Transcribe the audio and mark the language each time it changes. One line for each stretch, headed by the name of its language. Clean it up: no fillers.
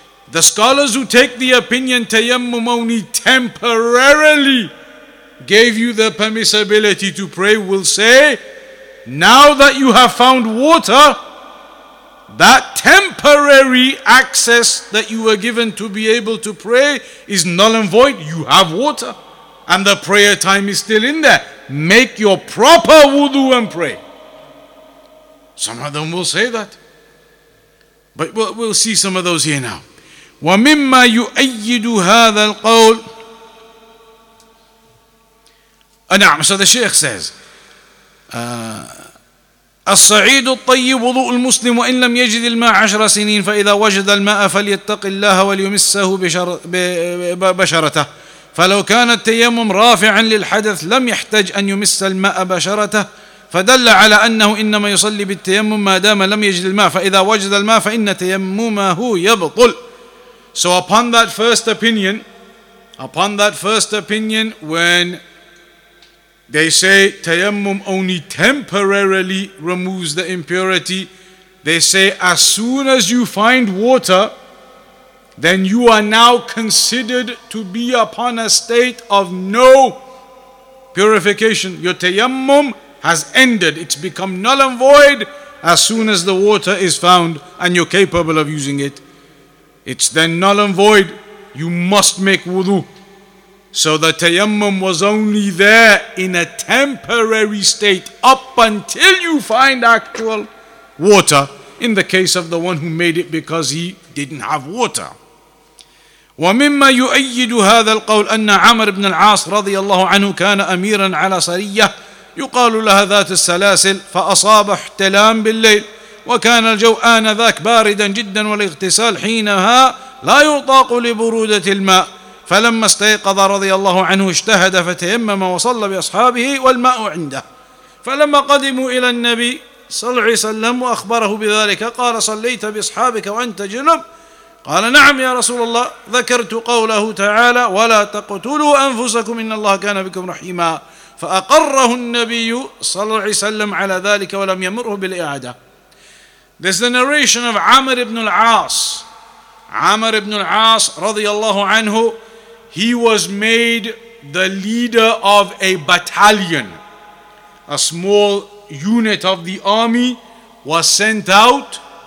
English: The scholars who take the opinion tayammum only temporarily gave you the permissibility to pray will say, now that you have found water, that temporary access that you were given to be able to pray is null and void. You have water and the prayer time is still in there. Make your proper wudu and pray. Some of them will say that. But we'll see some of those here now.
Arabic: وَمِمَّا يُؤَيِّدُ هَذَا الْقَوْلِ نعم,
English: so the Shaykh says,
Arabic: الصعيد الطيب وضوء المسلم وإن لم يجد الماء عشر سنين فإذا وجد الماء فليتق الله وليمسه بشرته فلو كان التيمم رافعا للحدث لم يحتج أن يمس الماء بشرته فدل على أنه إنما يصلي بالتيمم ما دام لم يجد الماء فإذا وجد الماء فإن تيممه يبطل.
English: So upon that first opinion, when they say tayammum only temporarily removes the impurity, they say as soon as you find water, then you are now considered to be upon a state of no purification. Your tayammum has ended. It's become null and void as soon as the water is found and you're capable of using it. It's then null and void. You must make wudu. So the tayammum was only there in a temporary state up until you find actual water, in the case of the one who made it because he didn't have water.
Arabic: وَمِمَّا يُؤَيِّدُ هَذَا الْقَوْلِ أَنَّ عَمَرَ بْنَ الْعَاصِ رَضِيَ اللَّهُ عَنْهُ كَانَ أَمِيرًا عَلَى صَرِيَّةٍ يُقَالُ لَهَا ذَاتُ السَّلَاسِلِ فَأَصَابَ احْتِلَامٌ بِاللَّيْلِ وكان الجو آنذاك باردا جدا والاغتسال حينها لا يطاق لبرودة الماء فلما استيقظ رضي الله عنه اجتهد فتيمم وصلى بأصحابه والماء عنده فلما قدموا إلى النبي صلى الله عليه وسلم وأخبره بذلك قال صليت بأصحابك وأنت جنب قال نعم يا رسول الله ذكرت قوله تعالى ولا تقتلوا أنفسكم إن الله كان بكم رحيما فأقره النبي صلى الله عليه وسلم على ذلك ولم يمره بالإعادة.
English: There's the narration of Amr ibn al-As. Amr ibn al-As, radiyallahu anhu, he was made the leader of a battalion. A small unit of the army was sent out.